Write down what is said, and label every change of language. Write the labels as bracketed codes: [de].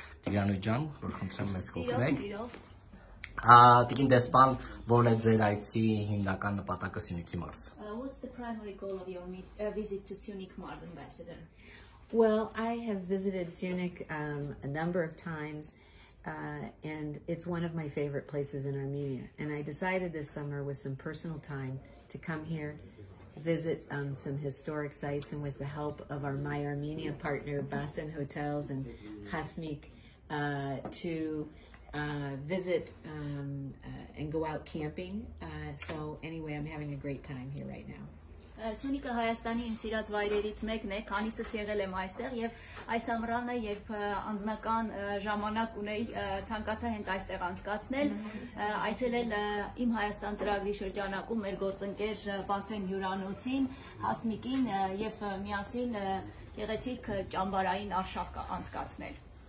[hy] Տիգրան ջան, որ խնդրեմ մեզ կօգնեք։ Տիգին դեսպան, որն է ձեր այցի հիմնական նպատակը Սյունիքի մարզ։ [en] What's the primary goal of your visit to Sunik Mars Ambassador? Well, I have visited Sunik a number of times and it's one of my favorite places in Armenia. And I decided this summer with some personal time to come here, visit some historic sites, and with the help of our My Armenia partner, Basen Hotels and Hasmik, to visit and go out camping. So anyway, I'm having a great time here right now. [hy] Սյունիքը Հայաստանի իմ սիրած վայրերից մեկն է, քանիցս եղել եմ այստեղ եւ այս ամռանը, երբ անձնական ժամանակ ունեի, ցանկացա հենց այստեղ անցկացնել, այցելել իմ Հայաստան ծրագրի շրջանակում մեր գործընկեր Պասեն հյուրանոցին, Հասմիկին եւ միասին գեղեցիկ ճամբարային արշավ անցկացնել։